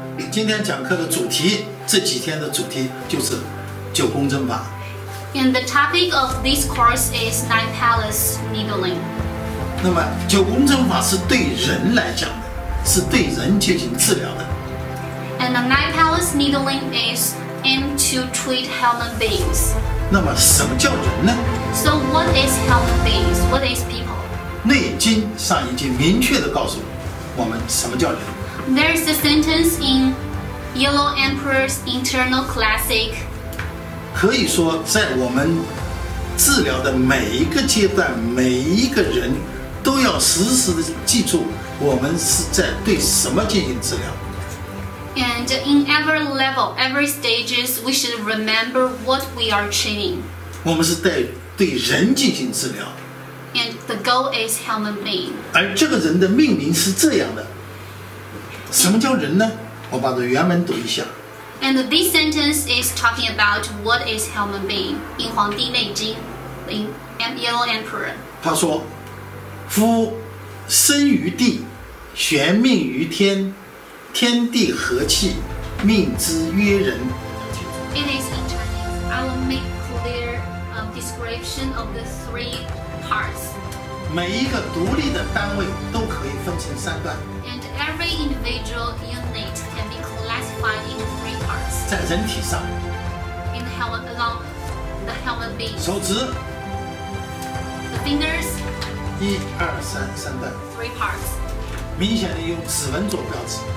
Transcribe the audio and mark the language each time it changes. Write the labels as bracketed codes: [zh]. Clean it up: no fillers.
[zh] 今天讲课的主题，这几天的主题就是九宫针法。 [en] And the topic of this course is Nine Palaces Needling. [zh] 那么九宫针法是对人来讲的，是对人进行治疗的。 [en] And the Nine Palaces Needling is aimed to treat human beings. [zh] 那么什么叫人呢？ [en] So what is human beings? What is people? [zh] 内经上已经明确地告诉我们什么叫人。 [en] There is a sentence in Yellow Emperor's Internal Classic. [zh] 可以说在我们治疗的每一个阶段，每一个人都要时时地记住我们是在对什么进行治疗。 [en] And in every level, every stages, we should remember what we are training. [zh] 我们是在对人进行治疗。 [en] And the goal is human being. [zh] 而这个人的命名是这样的。什么叫人呢？我把它原文读一下。 [en] And this sentence is talking about what is human being in 黄帝内经 in Yellow Emperor. [zh] 他说：夫生于地，玄命于天，天地和气，命之曰人。 [en] It is in Chinese. I will make clear a description of the three parts. [zh] 每一个独立的单位都可以分成三段。 [en] And every individual unit can be classified into three parts. [zh] 在人体上。 [en] In the helmet, along the helmet being. [zh] 手指。 [en] The fingers. [zh] 一二三，三段。 [en] Three parts. [zh] 明显的用指纹做标志。